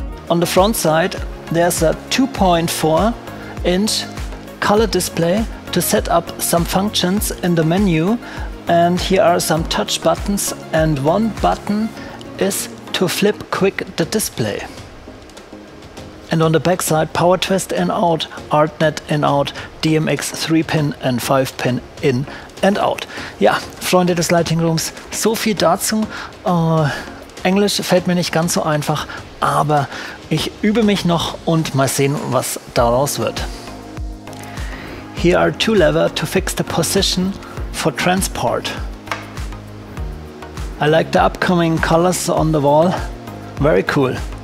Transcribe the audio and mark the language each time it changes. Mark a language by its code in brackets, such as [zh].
[en] On the front side, there's a 2.4 inch color display to set up some functions in the menu. And here are some touch buttons, and one button is to flip quick the display. And on the back side, power twist in out, Artnet in out, DMX 3-pin and 5-pin in and out. [de] Ja, Freunde des Lighting Rooms, so viel dazu. Englisch fällt mir nicht ganz so einfach, aber ich übe mich noch und mal sehen, was daraus wird. [en] Here are two levers to fix the position for transport. I like the upcoming colors on the wall. Very cool.